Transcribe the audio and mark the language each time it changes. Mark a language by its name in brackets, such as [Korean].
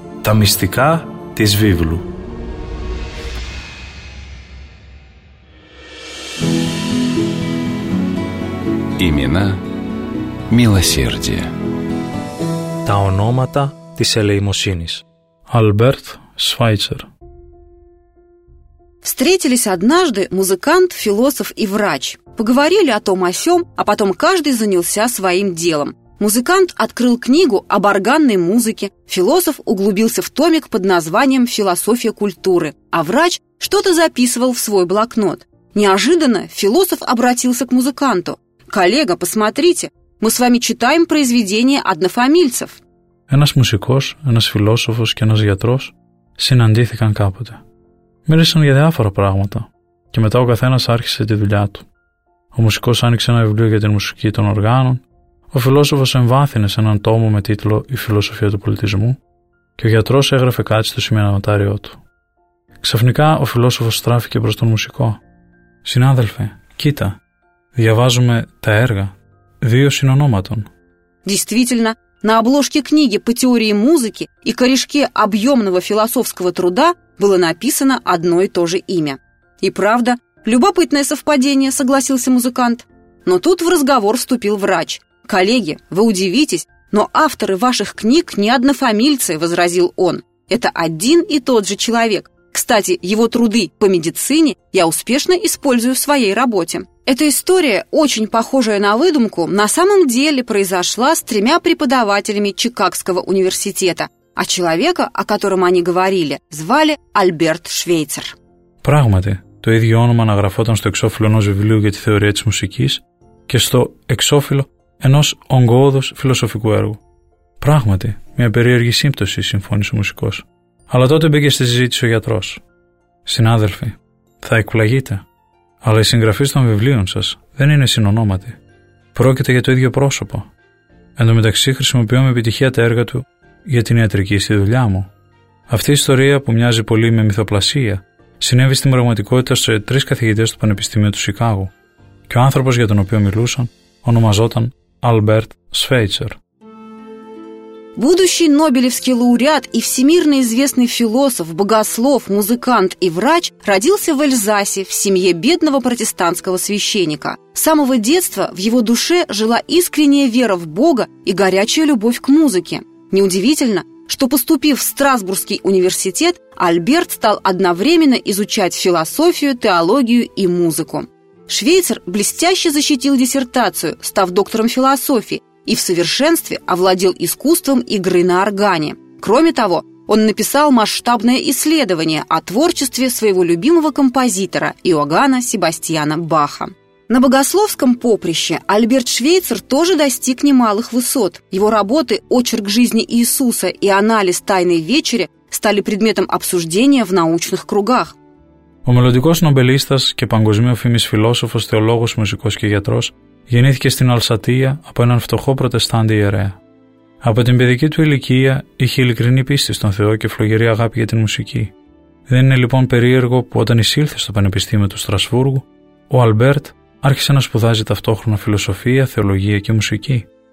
[Greek] Τα μυστικά της Βίβλου. [Russian] Ημινά Μιλοσέρδια. [Greek] Τα ονόματα της ελεημοσύνης. [Russian] Альберт Швайцер. Встретились однажды музыкант, философ и врач. Поговорили о том о сём, а потом каждый занялся своим делом. Музыкант открыл книгу об органной музыке, философ углубился в томик под названием «Философия культуры», а врач что-то записывал в свой блокнот. Неожиданно философ обратился к музыканту. «Коллега, посмотрите, мы с вами читаем произведения однофамильцев». [Greek] Ένας μουσικός, ένας φιλόσοφος και ένας γιατρός συναντήθηκαν κάποτε. Μίλησαν για διάφορα πράγματα και μετά ο καθένας άρχισε τη δουλειά του. Ο μουσικός άνοιξε ένα βιβλίο για την μουσική των οργάνων, ο φιλόσοφος εμβάθυνε σε έναν τόμο με τίτλο «Η φιλοσοφία του πολιτισμού» και ο γιατρός έγραφε κάτι στο σημειωματάριό του. Ξαφνικά ο φιλόσοφος στράφηκε προς τον μουσικό. «Συνάδελφε, κοίτα, διαβάζουμε τα έργα δύο συνονόματων». [Russian] Действительно. На обложке книги по теории музыки и корешке объемного философского труда было написано одно и то же имя. И правда, любопытное совпадение, согласился музыкант. Но тут в разговор вступил врач. «Коллеги, вы удивитесь, но авторы ваших книг не однофамильцы», – возразил он. «Это один и тот же человек. Кстати, его труды по медицине я успешно использую в своей работе». Эта история, очень похожая на выдумку, на самом деле произошла с тремя преподавателями Чикагского университета, а человека, о котором они говорили, звали Альберт Швейцер. [Greek] Πράγματι, το ίδιο όνομα αναγραφόταν στο εξώφυλλο ενός βιβλίου για τη θεωρία της μουσικής και στο εξώφυλλο ενός ογκώδους φιλοσοφικού έργου. Πράγματι, μια περίεργη σύμπτωση, συμφώνησε ο μουσικός. Αλλά τότε μπήκε στη συζήτηση ο γιατρός. «Συνάδελφοι, θα εκπλαγείτε. Αλλά οι συγγραφείς των βιβλίων σας δεν είναι συνονόματοι. Πρόκειται για το ίδιο πρόσωπο. Εν τω μεταξύ χρησιμοποιώ με επιτυχία τα έργα του για την ιατρική στη δουλειά μου. Αυτή η ιστορία που μοιάζει πολύ με μυθοπλασία συνέβη στην πραγματικότητα σε τρεις καθηγητές του Πανεπιστημίου του Σικάγου και ο άνθρωπος για τον οποίο μιλούσαν ονομαζόταν Альберт Швейцер». [Russian] Будущий Нобелевский лауреат и всемирно известный философ, богослов, музыкант и врач родился в Эльзасе в семье бедного протестантского священника. С самого детства в его душе жила искренняя вера в Бога и горячая любовь к музыке. Неудивительно, что, поступив в Страсбургский университет, Альберт стал одновременно изучать философию, теологию и музыку. Швейцар блестяще защитил диссертацию, став доктором философии, и в совершенстве овладел искусством игры на органе. Кроме того, он написал масштабное исследование о творчестве своего любимого композитора Иоганна Себастьяна Баха. На богословском поприще Альберт Швейцар тоже достиг немалых высот. Его работы «Очерк жизни Иисуса» и «Анализ Тайной вечери» стали предметом обсуждения в научных кругах. [Greek] Ο μελλοντικός νομπελίστας και παγκοσμίως φιλόσοφος, θεολόγος, μουσικός και γιατρός γεννήθηκε στην Αλσατία από έναν φτωχό προτεστάντη ιερέα. Από την παιδική του ηλικία είχε ειλικρινή πίστη στον Θεό και φλογερή αγάπη για την μουσική. Δεν είναι λοιπόν περίεργο που όταν εισήλθε στο Πανεπιστήμιο του Στρασβούργου, ο Αλμπέρτ άρχισε να σπουδάζει ταυτόχρονα φιλοσοφία, θεολογία και μουσική.